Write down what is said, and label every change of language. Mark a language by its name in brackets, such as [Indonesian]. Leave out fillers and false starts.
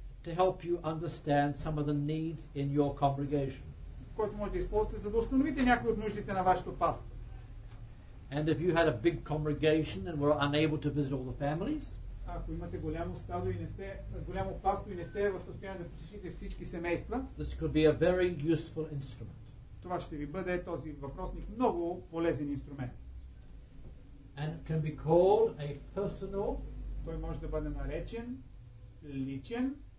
[English] to help you understand some of the needs in your congregation. [Bulgarian] Който може да използвате, за да установите някои от нуждите на вашето паство. [English] And if you had a big congregation and were unable to visit all the families, [Bulgarian] ако имате голямо стадо и не сте голямо пасто и не сте в състояние да посетите всички семейства, [English] this could be a very useful instrument. [Bulgarian] Това ще ви бъде този въпросник много полезен инструмент. [English] And it can be called a personal, [Bulgarian] той може да бъде наречен личен